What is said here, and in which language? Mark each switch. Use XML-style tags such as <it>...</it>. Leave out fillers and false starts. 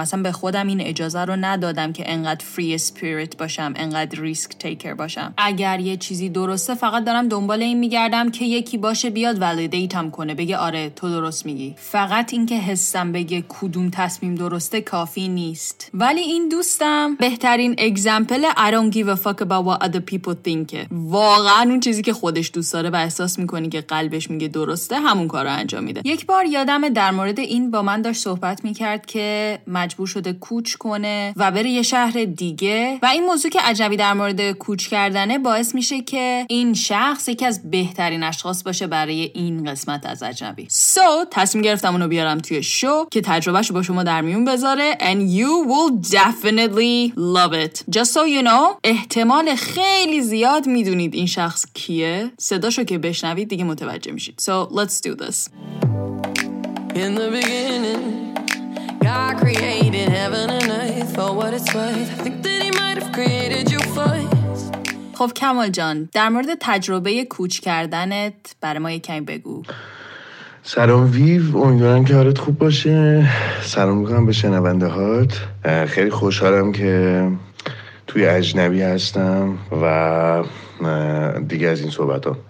<fa>اصلا به خودم این اجازه رو ندادم که انقدر free spirit باشم، انقدر risk taker باشم. اگر یه چیزی درسته فقط دارم دنبال این میگردم که یکی باشه بیاد validate‌ام کنه، بگه آره تو درست میگی. فقط اینکه حسم بگه کدوم تصمیم درسته کافی نیست. ولی این دوستم بهترین اگزمپل</fa> <en>I don't give a fuck about what other people think.</en> <fa>واقعا اون چیزی که خودش دوست داره و احساس میکنه که قلبش میگه درسته همون کارو انجام میده. یک بار یادم در مورد این با من داشت صحبت میکرد که مجبور شده کوچ کنه و بره یه شهر دیگه و این موضوع که عجبی در مورد کوچ کردنه باعث میشه که این شخص یکی از بهترین اشخاص باشه برای این قسمت از اجنبی. So تصمیم گرفتم اونو بیارم توی شو که تجربهشو با شما در میون بذاره</fa> <en>and you will definitely love it. Just so you know</en> <fa>احتمال خیلی زیاد میدونید این شخص کیه، صداشو که بشنوید دیگه متوجه میشید.</fa> <en>So let's do this. In the beginning God created heaven and earth for what it's worth. I think that he might have created you first.</en> <fa>خب کمال جان، در مورد تجربه کوچ کردنت برای ما یکم بگو. سلام ویو، امیدوارم که حالت خوب باشه. سلام میکنم به شنونده هات. خیلی خوشحالم که توی اجنبی هستم و دیگه از این صحبت ها.</fa>